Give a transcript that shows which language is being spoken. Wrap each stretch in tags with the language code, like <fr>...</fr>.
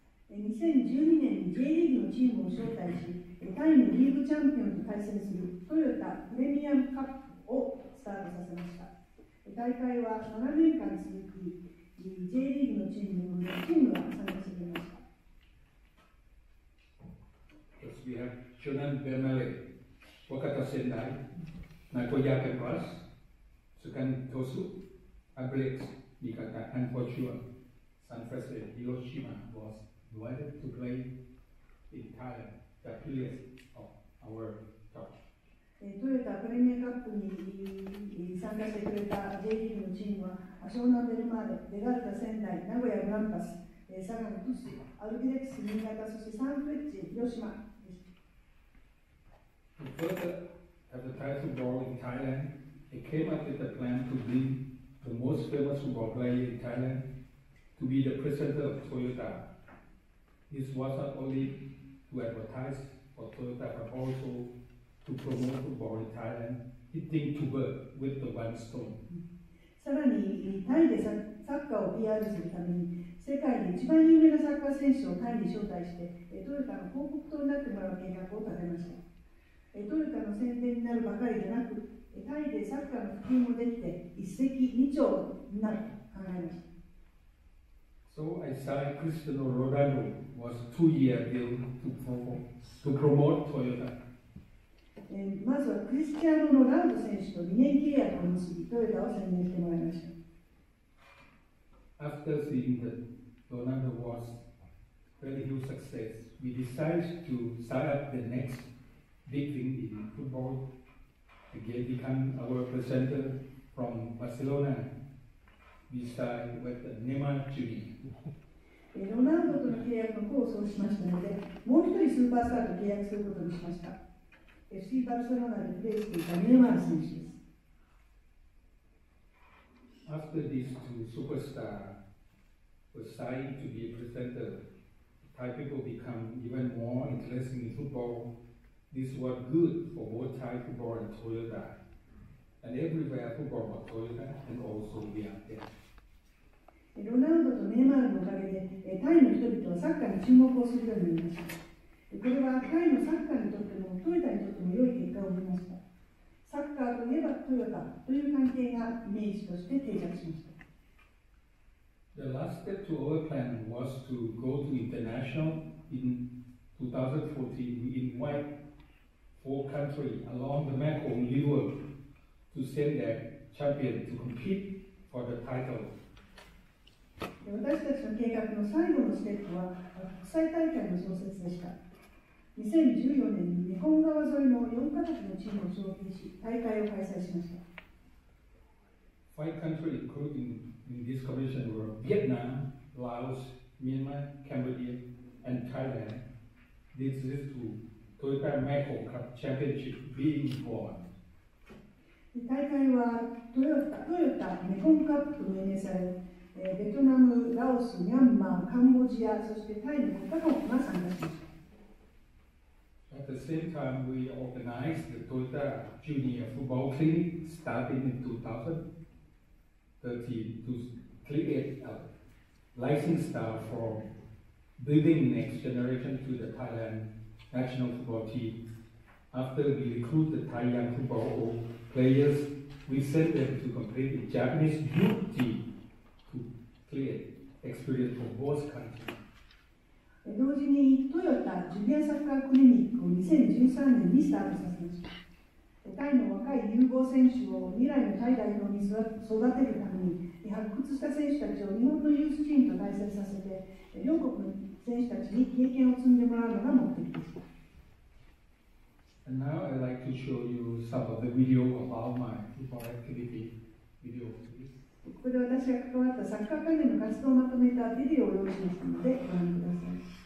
<ja>In 2012, J League のチームを招待し、タイのリーグチャンピオンと対戦する Toyota Premier Cup をスタートさせました。大会は7年間続き、J リーグのチームが参加しました。</ja> <en>We have Shonan Bermele, Wakata Sendai, Nagoya Kempas, Sukan Tosu, Ablex, Mikata, and for sure, San Jose Hiroshima was invited to play in Thailand, the previous of our touch.</en> <ja>Toyota Premier Cup に参加してくれた J リーグのチームは、Shonan Bermele, Wakata Sendai, Nagoya Kempas, Sukan Tosu, Ablex, Mikata, そしてサンフレッチェ Hiroshima.</ja> <en>To further advertise football in Thailand, I came up with a plan to bring the most famous football player in Thailand to be the presenter of Toyota. This was not only to advertise for Toyota, but also to promote football in Thailand, hitting two birds with the one stone.</en> <ja>さらに、タイでサッカーを PR するために、世界で一番有名なサッカー選手をタイに招待して、トヨタの広告塔になってもらう計画を立てました。トヨタの宣伝になるばかりでなく、タイでサッカーの普及もできて、一石二鳥になると考えました。</ja> <en>So I saw Cristiano Ronaldo was 2 years deal to promote Toyota.</en> <ja>まずはクリスティアーノ・ロナウド選手と2年契約を結び、トヨタを宣伝してもらいました。</ja> <en>After seeing that Ronaldo was really huge success, we decided to start up the next. Big thing in football. Again, become our presenter from Barcelona. We start with the Neymar Jr.</en> <ja>ロナウドとの契約の交渉をしましたので、もう一人スーパースターと契約することにしました。 FC バルセロナでプレーしていたネイマール選手です。</ja> <en>After these two superstars were signed to be a presenter, Thai people become even more interested in football. This was good for both Thai football and Toyota, and everywhere football was Toyota and also we are there.</en> <ja>ロナウドとネイマールのおかげで、タイの人々はサッカーに注目をするようになりました。これはタイのサッカーにとっても、トヨタにとっても良い結果を生みました。サッカーといえばトヨタという関係がイメージとして定着しました。</ja> <en>The last step to our plan was to go to international in 2014. We invite four countries along the Mekong River to send their champion to compete for the title.</en> <ja>私たちの計画の最後のステップは国際大会の創設でした。 2014年にメコン川沿いの4カ国のチームを招聘し、大会を開催しました。</ja> <en>Five countries including in this competition were Vietnam, Laos, Myanmar, Cambodia, and Thailand. This is to</en> <ja>トヨタメコカップチャンピオンシップ</ja> <en>being born。</en> <ja>大会はトヨタメコンカップと命名され、ベトナム、ラオス、ミャンマー、カンボジア、そしてタイの方が参加しました。</ja> <en>At the same time, we organized the Toyota Junior Football Clinic starting in 2013 to create a rising star for building next generation to the Thailand national football team. After we recruit the Thai young football players, we sent them to compete in Japanese youth team to create experience for both countries.</en> <ja>同時にトヨタジュニアサッカークリニックを2013年にスタートさせました。タイの若い有望選手を未来のタイ代表に育てるために発掘した選手たちを日本のユースチームと対戦させて、両国の選手たちに経験を積んでもらうのが目的です。</ja> <en>And now I'd like to show you some of the video about my football activity video for this.</en> <ja>ここで私が関わったサッカー関連の活動をまとめたビデオを用意しましたのでご覧ください。</ja>